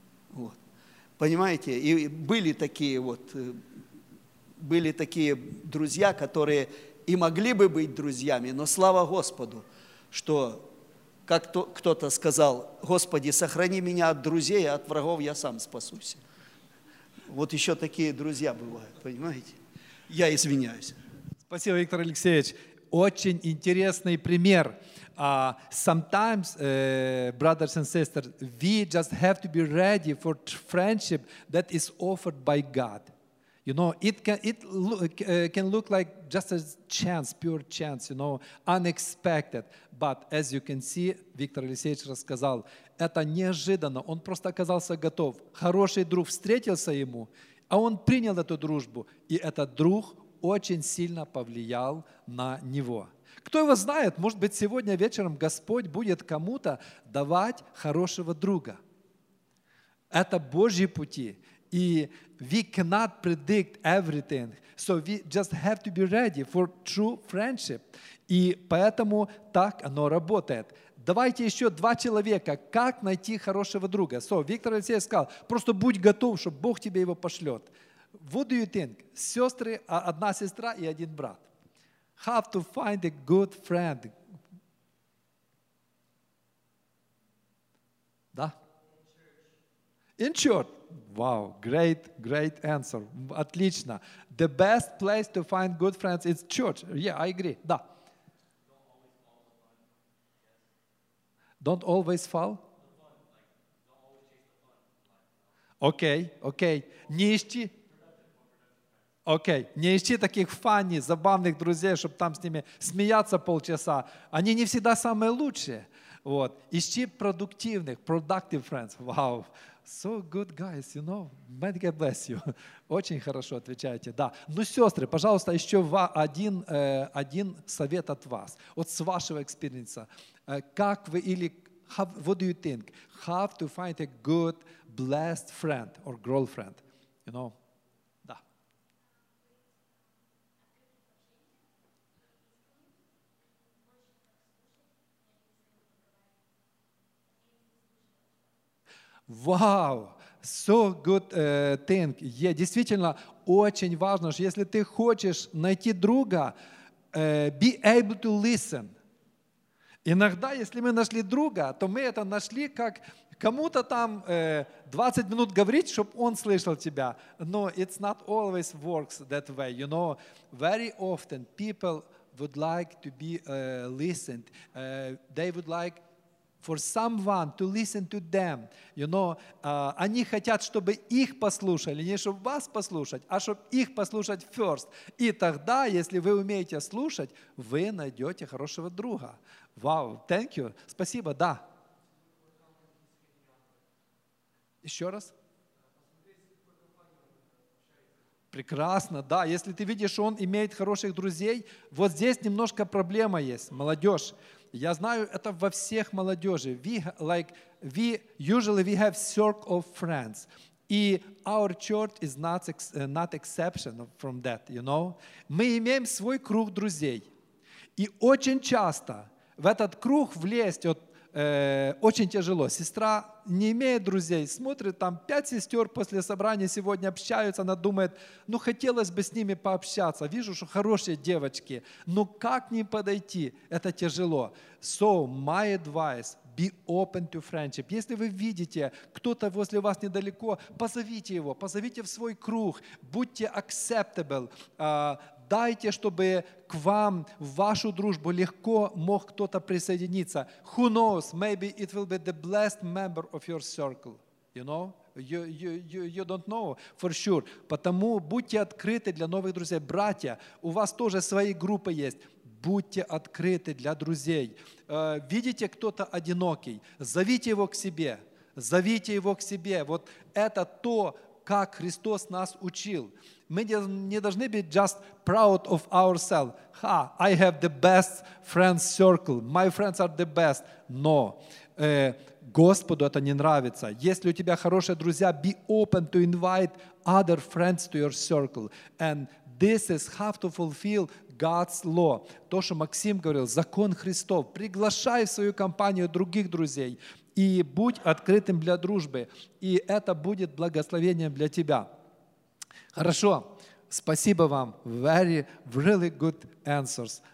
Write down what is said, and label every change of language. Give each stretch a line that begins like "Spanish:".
Russian: Вот, понимаете, и были такие вот... Были такие друзья, которые и могли бы быть друзьями, но слава Господу, что, как кто-то сказал: Господи, сохрани меня от друзей, а от врагов я сам спасусь. Вот еще такие друзья бывают, понимаете? Я извиняюсь. Спасибо, Виктор Алексеевич. Очень интересный пример.
English: Sometimes, brothers and sisters, we just have to be ready for friendship that is offered by God. You know, it can look like just a chance, pure chance, you know, unexpected. But as you can see,
Russian: Виктор Алексеевич рассказал, это неожиданно, он просто оказался готов. Хороший друг встретился ему, а он принял эту дружбу, и этот друг очень сильно повлиял на него. Кто его знает, может быть, сегодня вечером Господь будет кому-то давать хорошего друга. Это Божьи пути. И
English: we cannot predict everything, so we just have to be ready for true friendship.
Russian: И поэтому так оно работает. Давайте еще два человека, как найти хорошего друга. So, Виктор Алексеевич сказал, просто будь готов, что Бог тебе его пошлет.
English: What do you think?
Russian: Сестры, одна сестра и один брат.
English: How to find a good friend?
Russian: Да?
English: In church. Wow, great, great answer.
Russian: Отлично.
English: The best place to find good friends is church. Yeah, I agree.
Russian: Да.
English: Don't always fall. Okay, okay.
Russian: Не ищи.
English: Okay.
Russian: Не ищи таких фанни, забавных друзей, чтобы там с ними смеяться полчаса. Они не всегда самые лучшие. Вот. Ищи продуктивных,
English: productive friends. Wow. So good guys, you know, may God bless you.
Russian: Очень хорошо отвечаете, да. Ну, сестры, пожалуйста, еще один совет от вас, вот с вашего экспириенса. Как вы или,
English: what do you think, how to find a good, blessed friend or girlfriend, you know? Вау, so good thing.
Russian: Yeah, действительно, очень важно, что если ты хочешь найти друга,
English: be able to listen.
Russian: Иногда, если мы нашли друга, то мы это нашли как кому-то там 20 минут говорить, чтобы он слышал тебя. Но
English: it's not always works that way. You know, very often people would like to be listened. They would like for someone to listen to them. You know,
Russian: они хотят, чтобы их послушали, не чтобы вас послушать, а чтобы их послушать
English: first.
Russian: И тогда, если вы умеете слушать, вы найдете хорошего друга.
English: Wow, thank you.
Russian: Спасибо, да. Еще раз. Прекрасно, да. Если ты видишь, что он имеет хороших друзей, вот здесь немножко проблема есть, молодежь. Я знаю, это во всех молодежи.
English: We usually have circle of friends.
Russian: И
English: our church is not exception from that, you know.
Russian: Мы имеем свой круг друзей. И очень часто в этот круг влезть вот, очень тяжело. Сестра не имеет друзей, смотрит, там 5 сестер после собрания сегодня общаются, она думает, ну хотелось бы с ними пообщаться, вижу, что хорошие девочки, но как не подойти, это тяжело.
English: So, my advice, be open to friendship.
Russian: Если вы видите, кто-то возле вас недалеко, позовите его, позовите в свой круг, будьте acceptable, дайте, чтобы к вам, в вашу дружбу, легко мог кто-то присоединиться.
English: Who knows, maybe it will be the blessed member of your circle. You know? You don't know for sure.
Russian: Потому будьте открыты для новых друзей. Братья, у вас тоже свои группы есть. Будьте открыты для друзей. Видите, кто-то одинокий? Зовите его к себе. Зовите его к себе. Вот это то, как Христос нас учил. Мы не должны быть
English: just proud of ourselves. Ha, I have the best friends circle. My friends are the best.
Russian: Но Господу это не нравится. Если у тебя хорошие друзья,
English: be open to invite other friends to your circle. And this is how to fulfill God's law.
Russian: То, что Максим говорил, закон Христов. Приглашай в свою компанию других друзей и будь открытым для дружбы. И это будет благословением для тебя. Хорошо, спасибо вам.
English: Very, really good answers.